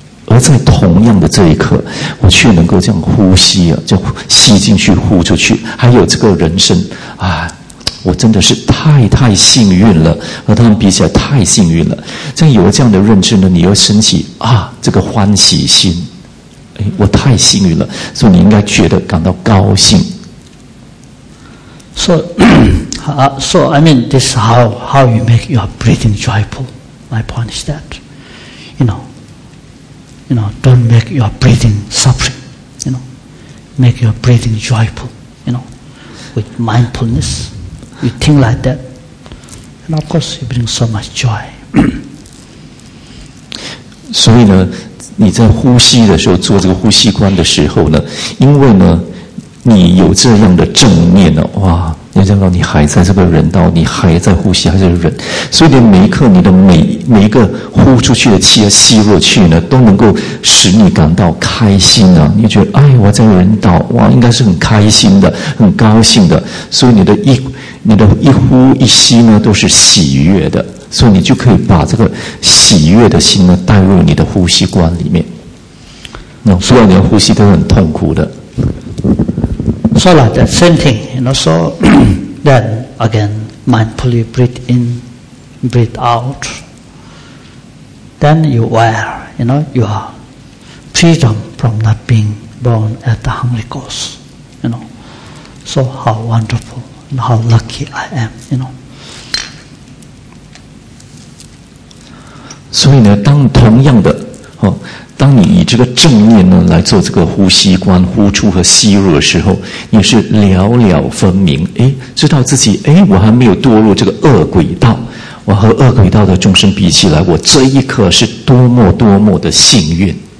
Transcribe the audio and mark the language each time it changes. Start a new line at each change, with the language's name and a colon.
Chinese: 而在同样的这一刻，我却能够这样呼吸啊，就吸进去，呼出去，还有这个人生啊，我真的是太太幸运了，和他们比起来太幸运了。这样有了这样的认知呢，你又升起啊这个欢喜心，哎，我太幸运了，所以你应该觉得感到高兴。
English: So I mean, this is how you make your breathing joyful. My point is that, you know. You know, don't make your breathing suffering, you know. Make your breathing joyful, you know. With mindfulness, you think like that. And of course, you bring so much joy.
Chinese: 所以呢，你在呼吸的时候，做这个呼吸观的时候呢，因为呢，你有这样的正念呢，哇，你知道你还在这个人道，你还在呼吸，还在忍，所以你每一刻，你的每一个呼出去的气啊，吸入去呢，都能够使你感到开心啊。你觉得，哎，我在人道，哇，应该是很开心的，很高兴的。所以你的你的一呼一吸呢都是喜悦的，所以你就可以把这个喜悦的心呢带入你的呼吸观里面。那所有你的呼吸都很痛苦的。
English: So like that, same thing, you know, so then again, mindfully breathe in, breathe out. Then you aware, you know, you are freedom from not being born at the hungry ghost, you know. So how wonderful and how lucky I am, you know.
Chinese: 所以呢，当同样的，哦，当你以这个正念呢来做这个呼吸观呼出和吸入的时候，你是了了分明，哎，知道自己，哎，我还没有堕入这个恶鬼道，我和恶鬼道的众生比起来，我这一刻是多么多么的幸运。